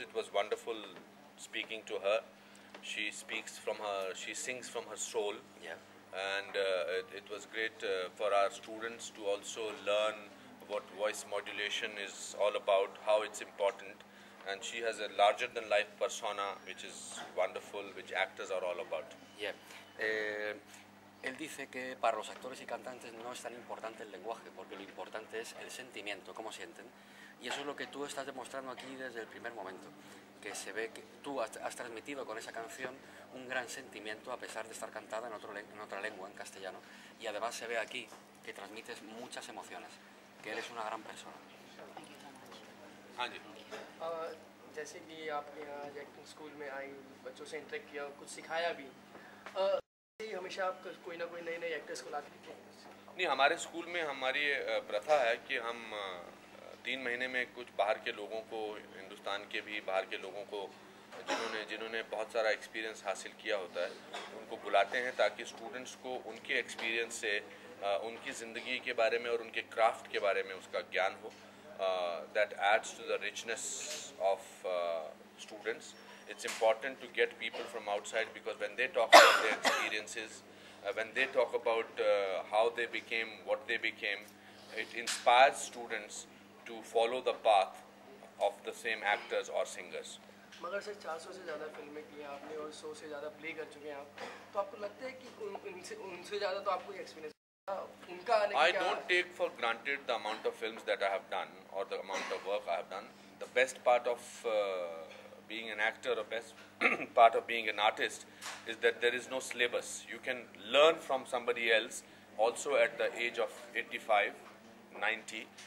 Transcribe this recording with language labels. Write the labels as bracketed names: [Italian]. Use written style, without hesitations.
[English] It was wonderful speaking to her. She speaks from her, she sings from her soul. Yeah. And it was great for our students to also learn what voice modulation is all about, how it's important. And she has a larger than life persona, which is wonderful, which actors are all about. Yeah. [Spanish] Él dice que para los actores y cantantes no es tan importante el lenguaje, porque lo importante es el sentimiento, cómo sienten. Y eso es lo que tú estás demostrando aquí desde el primer momento, que se ve que tú has transmitido con esa canción un gran sentimiento a pesar de estar cantada en otra lengua, en castellano. Y además se ve aquí que transmites muchas emociones, que eres una gran persona. [English] Andy. [Hindi] जैसे कि आपने यहाँ acting school में आई, बच्चों से interact किया, कुछ सिखाया भी, हमेशा आप कोई ना कोई नए नए एक्टर्स को लाते हैं? नहीं, हमारे स्कूल में हमारी प्रथा है कि हम 3 महीने में कुछ बाहर के लोगों को, हिंदुस्तान के भी बाहर के लोगों को, जिन्होंने बहुत सारा एक्सपीरियंस हासिल किया होता है, उनको बुलाते हैं ताकि स्टूडेंट्स को उनके एक्सपीरियंस से उनकी ज़िंदगी के बारे में और उनके क्राफ्ट के बारे में उसका ज्ञान हो. [English] That adds to the richness of students. It's important to get people from outside, because when they talk about their experiences, when they talk about how they became, what they became, it inspires students to follow the path of the same actors or singers. [Hindi] मगर sir 400 से ज़्यादा फिल्में की हैं आपने और 100 से ज़्यादा प्ले कर चुके हैं आप, तो आपको लगता है कि उनसे ज़्यादा तो आपको experience. [English] I don't take for granted the amount of films that I have done or the amount of work I have done. The best part of being an actor, or best part of being an artist, is that there is no syllabus. You can learn from somebody else also at the age of 85, 90.